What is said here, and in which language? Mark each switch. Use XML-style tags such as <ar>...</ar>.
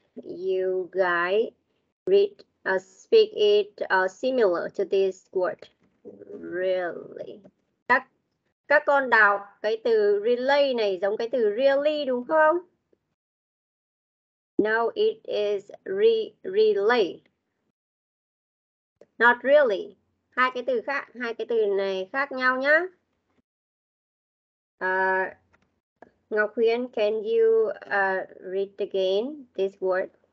<en>You guys read, speak it similar to this word. Really.</en> <vi>Các con đọc cái từ relay này giống cái từ really đúng không?</vi> <en>No, it is relay. Not really.</en> <vi>Hai cái từ khác, hai cái từ này khác nhau nhá.</vi> <en>Ngọc Huyền, can you read again this word?</en>